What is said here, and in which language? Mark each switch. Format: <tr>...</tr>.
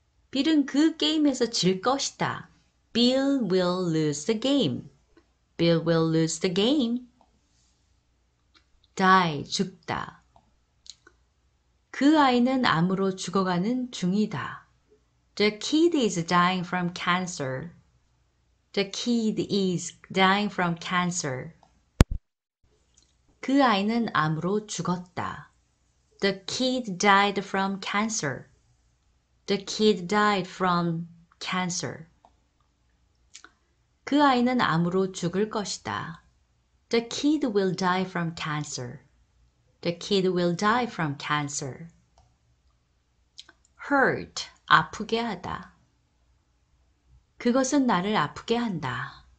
<ko>Bill은 그 게임에서 질 것이다.</ko> <en>Bill will lose the game. Bill will lose the game. Die,</en> <ko>죽다. 그 아이는 암으로 죽어가는 중이다.</ko> <en>The kid is dying from cancer. The kid is dying from cancer.</en> <ko>그 아이는 암으로 죽었다.</ko> <en>The kid died from cancer. The kid died from cancer.</en> <ko>그 아이는 암으로 죽을 것이다.</ko> <en>The kid will die from cancer. The kid will die from cancer. Hurt,</en> <ko>아프게 하다. 그것은 나를 아프게 한다.</ko>